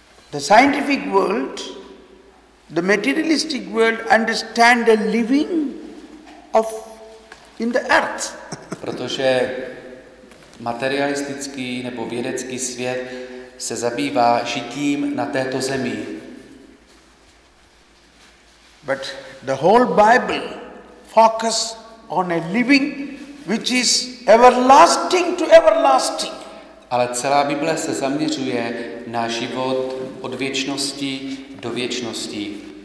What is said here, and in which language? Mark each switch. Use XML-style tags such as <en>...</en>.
<en>The scientific world, the materialistic world understand the living of in the earth.</en> <cs>Protože materialistický nebo vědecký svět se zabývá žitím na této zemi.</cs> <en>But the whole Bible focus on a living which is everlasting to everlasting.</en> <cs>Ale celá Bible se zaměřuje na život od věčnosti do věčnosti.</cs>